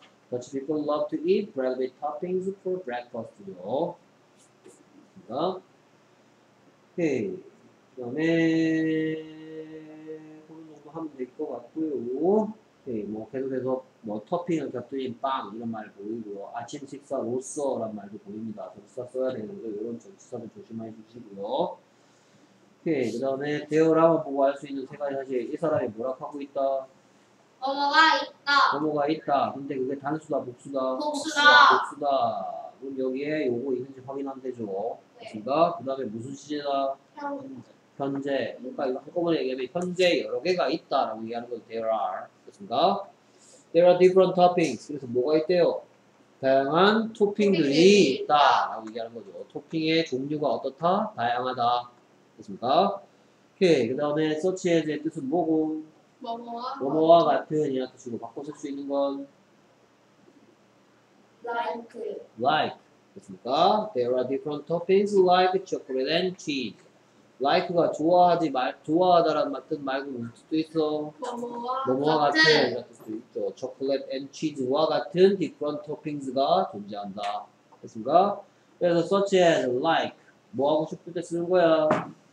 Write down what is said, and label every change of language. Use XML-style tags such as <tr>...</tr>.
<en>Dutch people love to eat bread with toppings for breakfast.</en> <ko>요. 됐습니다. 오케이. 그 다음에 그런 것도 하면 될 것 같고요. 오케이. 뭐 계속해서 뭐 토핑을 곁들인 빵 이런 말 보이고요. 아침 식사 로서란 말도 보입니다. 접수사 써야 되는데 이런 접수사는 조심해 주시고요. 오케이. 그 다음에 대어라면 보고 알 수 있는 세 가지 사실. 이 사람이 뭐라 하고 있다. 어머가 있다. 근데 그게 단수다, 복수다? 복수다. 복수다. 그럼 여기에 요거 있는지 확인하면 되죠. 됐습니까? 네. 그 다음에 무슨 시제다? 현재. 그러니까 이거 한꺼번에 얘기하면 현재 여러 개가 있다 라고 얘기하는 건 there are. 됐습니까?</ko> <en>There are different toppings.</en> <ko>그래서 뭐가 있대요? 다양한 토핑들이 있다 라고 얘기하는 거죠. 토핑의 종류가 어떻다? 다양하다. 됐습니까? 오케이. 그 다음에 서치에즈의 뜻은 뭐고? 뭐뭐와 같은이라는 뜻으로 바꿔 쓸 수 있는 건</ko> <en>like</en> <ko>그렇습니까?</ko> <en>There are different toppings like chocolate and cheese.</en> <ko>Like가 좋아하지 말 좋아하다라는 뜻 말고 무슨 뜻도 있어? 뭐뭐와 같은이라는 뜻도 있죠.</ko> <en>Chocolate and cheese</en> <ko>와 같은</ko> <en>different toppings</en> <ko>가 존재한다. 그렇습니까? 그래서 such as like 뭐 하고 싶을 때 쓰는 거야.</ko>